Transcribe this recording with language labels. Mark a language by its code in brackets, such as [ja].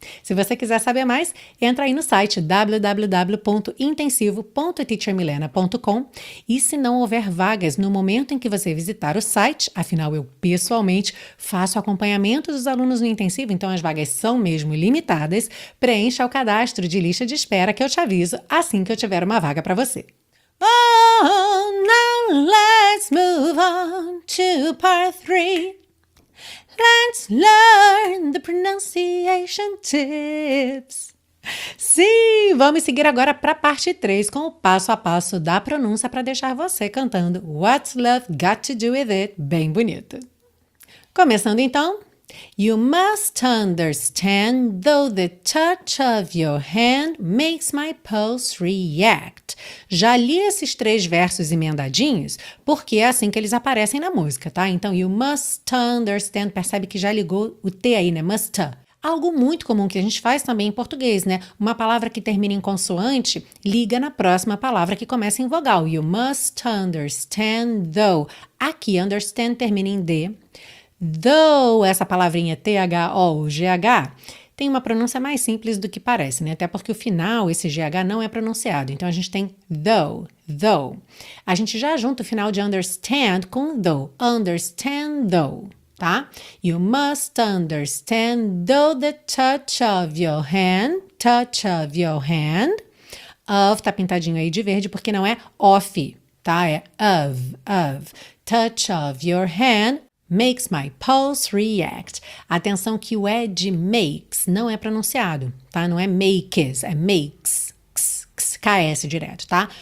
[pt] Se você quiser saber mais, entra aí no site www.intensivo.teachermilena.com e se não houver vagas no momento em que você visitar o site, afinal eu pessoalmente faço acompanhamento dos alunos no intensivo, então as vagas são mesmo limitadas, preencha o cadastro de lista de espera que eu te aviso assim que eu tiver uma vaga para você. [en] Oh, now let's move on to part 3. Let's learn the pronunciation tips. [pt] Sim, vamos seguir agora para a parte 3 com o passo a passo da pronúncia para deixar você cantando What's Love Got to Do With It bem bonito. Começando então. [en] You must understand, though the touch of your hand makes my pulse react. [pt] Já li esses três versos emendadinhos, porque é assim que eles aparecem na música, tá? Então, [en] you must understand, [pt] percebe que já ligou o T aí, né? Must. Algo muito comum que a gente faz também em português, né? Uma palavra que termina em consoante liga na próxima palavra que começa em vogal. [en] You must understand, though. [pt] Aqui, understand termina em D. Though, essa palavrinha T-H-O-G-H, tem uma pronúncia mais simples do que parece, né? Até porque o final, esse G-H, não é pronunciado. Então, a gente tem though, though. A gente já junta o final de understand com though. [en] Understand, though, tá? You must understand, though the touch of your hand, touch of your hand. [pt] Of, tá pintadinho aí de verde, porque não é off, tá? É of. [en] Touch of your hand. Makes my pulse react. [pt] Atenção que o ed makes não é pronunciado, tá? Não é makes, é makes, ks direto, tá?